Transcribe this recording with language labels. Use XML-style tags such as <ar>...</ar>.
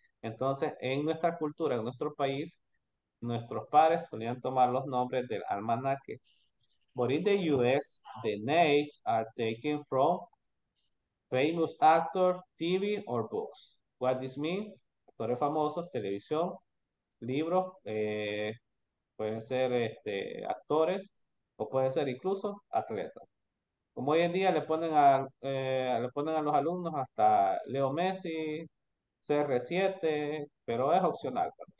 <es>Entonces, en nuestra cultura, en nuestro país, nuestros padres solían tomar los nombres del almanaque.</es> <en>But in the US, the names are taken from famous actors, TV, or books. What this means?</en> <es>Actores famosos, televisión, libros, pueden ser actores, o pueden ser incluso atletas. Como hoy en día le ponen a los alumnos hasta Leo Messi, CR7, pero es opcional.</es>